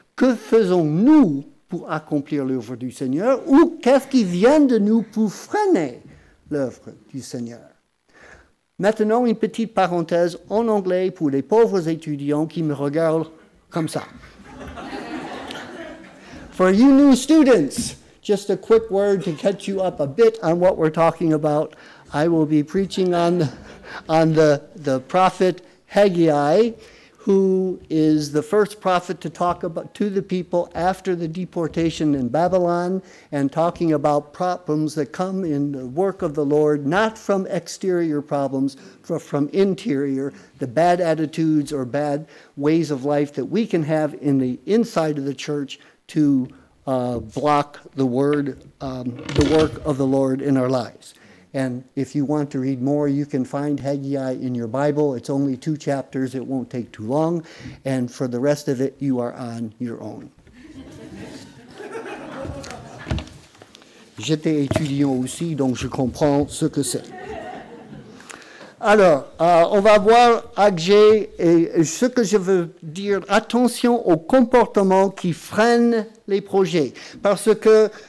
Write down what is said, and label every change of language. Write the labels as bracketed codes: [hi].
[fr] Que faisons-nous pour accomplir l'œuvre du Seigneur? Ou qu'est-ce qui vient de nous pour freiner l'œuvre du Seigneur? Maintenant, une petite parenthèse en anglais pour les pauvres étudiants qui me regardent comme ça. [en] For you new students, just a quick word to catch you up a bit on what we're talking about. I will be preaching on the prophet Haggai, who is the first prophet to talk about to the people after the deportation in Babylon and talking about problems that come in the work of the Lord, not from exterior problems, but from interior, the bad attitudes or bad ways of life that we can have in the inside of the church to block the word, the work of the Lord in our lives. And if you want to read more, you can find Haggai in your Bible. It's only 2 chapters. It won't take too long. And for the rest of it, you are on your own. [fr] J'étais étudiant aussi, donc je comprends ce que c'est. Alors, on va voir Agier et ce que je veux dire. Attention aux comportements qui freinent les projets. Parce que...